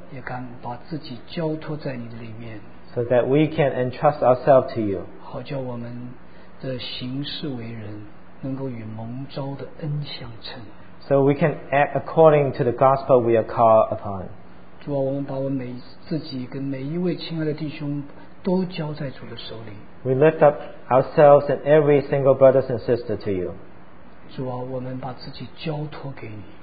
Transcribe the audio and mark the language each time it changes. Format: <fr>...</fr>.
<zh>也敢把自己交托在你的里面,</zh> <en>so that we can entrust ourselves to you.</en> <zh>好叫我们 的行事为人能够与蒙召的恩相称,</zh> <en>so we can act according to the gospel we are called upon.</en> <zh>主啊, 我们把我们自己跟每一位亲爱的弟兄都交在主的手里,</zh> <en>we lift up ourselves and every single brothers and sisters to you.</en> <zh>主啊, 我们把自己交托给你,</zh>